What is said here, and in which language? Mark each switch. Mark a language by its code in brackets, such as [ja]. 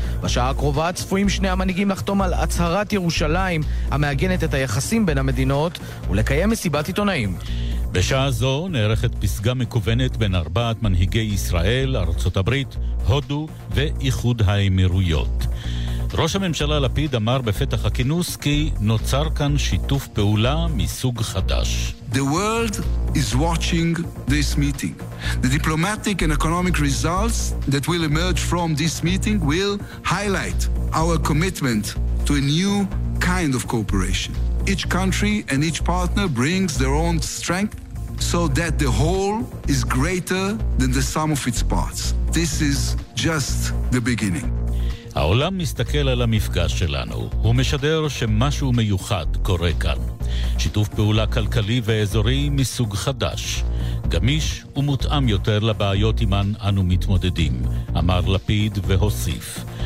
[he] בשעה הקרובה צפויים שני המנהיגים לחתום על הצהרת ירושלים המעגנת את היחסים בין המדינות ולקיים מסיבת עיתונאים. בשעה זו נערכת פסגה מקוונת בין ארבעת מנהיגי ישראל, ארצות הברית, הודו ואיחוד האמירויות. ראש הממשלה לפיד אמר בפתח הכינוס כי נוצר כאן שיתוף פעולה מסוג חדש. [en] The world is watching this meeting. The diplomatic and economic results that will emerge from this meeting will highlight our commitment to a new kind of cooperation. Each country and each partner brings their own strength so that the whole is greater than the sum of its parts. This is just the beginning. [he] העולם מסתכל על המפגש שלנו, הוא משדר שמשהו מיוחד קורה כאן. שיתוף פעולה כלכלי ואזורי מסוג חדש, גמיש ומותאם יותר לבעיות עימן אנו מתמודדים, אמר לפיד והוסיף.